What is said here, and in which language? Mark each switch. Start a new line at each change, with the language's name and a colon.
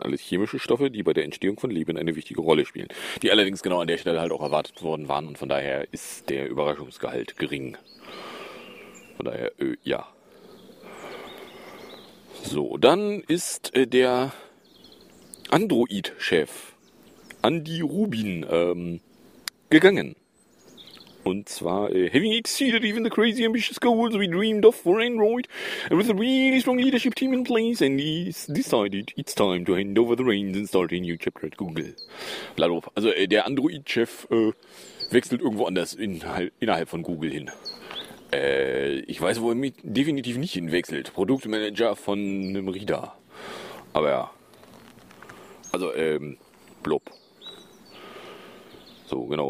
German: Alles chemische Stoffe, die bei der Entstehung von Leben eine wichtige Rolle spielen. Die allerdings genau an der Stelle halt auch erwartet worden waren und von daher ist der Überraschungsgehalt gering. Von daher, ja. So, dann ist der Android-Chef Andy Rubin gegangen. Und zwar,
English: having exceeded even the crazy ambitious goals we dreamed of for Android, and with a really strong leadership team in place, and he's decided it's time to hand over the reins and start a new chapter at Google. Blablabla.
German: Also, der Android-Chef wechselt irgendwo anders innerhalb von Google hin. Ich weiß, wo er mit definitiv nicht hinwechselt. Produktmanager von einem Rida. Aber ja. Also, blob. So, genau.